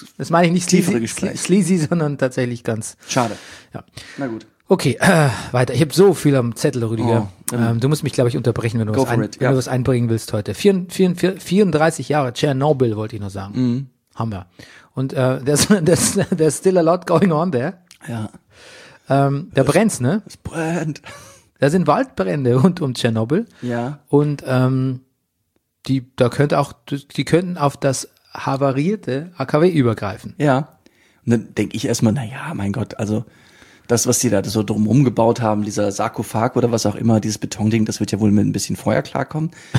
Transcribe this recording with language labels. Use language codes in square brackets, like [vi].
[de] meine ich nicht sleazy, sondern tatsächlich ganz. Schade. Ja. Na gut. Okay, weiter. Ich habe so viel am Zettel, Rüdiger. Oh, du musst mich, glaube ich, unterbrechen, wenn du was einbringen willst heute. 34 Jahre Tschernobyl, wollte ich nur sagen. Mhm. Haben wir. Und [en] there's still a lot going on there. [de] Ja. Da brennt's, ne? Es brennt. Da sind Waldbrände rund um Tschernobyl. Ja. Und die könnten auf das havarierte AKW übergreifen. Ja. Und dann denke ich erstmal, mein Gott, also das, was die da so drumherum gebaut haben, dieser Sarkophag oder was auch immer, dieses Betonding, das wird ja wohl mit ein bisschen Feuer klarkommen.